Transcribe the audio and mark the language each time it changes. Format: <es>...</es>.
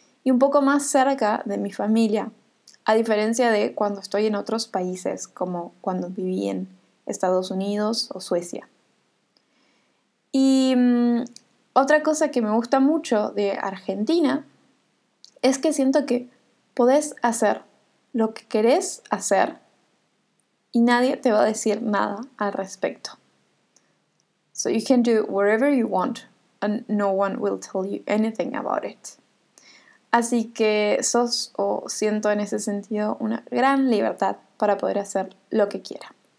<es>Y un poco más cerca de mi familia, a diferencia de cuando estoy en otros países, como cuando viví en Estados Unidos o Suecia. Y otra cosa que me gusta mucho de Argentina es que siento que podés hacer lo que querés hacer y nadie te va a decir nada al respecto.</es> <en>So you can do whatever you want and no one will tell you anything about it.</en> <es>Así que sos o siento en ese sentido una gran libertad para poder hacer lo que quiera.</es>